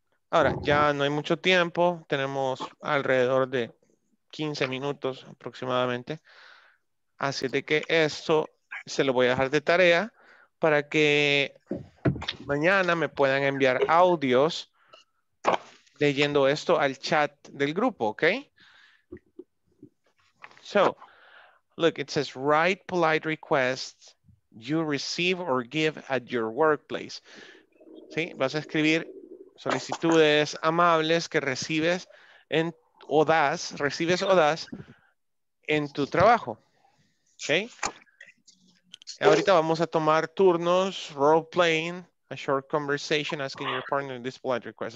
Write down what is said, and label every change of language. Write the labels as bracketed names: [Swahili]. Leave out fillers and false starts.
[Spanish] Ahora, ya no hay mucho tiempo. Tenemos alrededor de 15 minutos aproximadamente. Así de que esto se lo voy a dejar de tarea para que mañana me puedan enviar audios leyendo esto al chat del grupo, ¿ok? [English] So, look, it says, write polite requests you receive or give at your workplace. [Spanish] ¿Sí? Vas a escribir solicitudes amables que recibes en, o das, recibes o das en tu trabajo. [English] ¿Ok? [Spanish] Ahorita vamos a tomar turnos, [English] role playing, a short conversation asking your partner this polite request.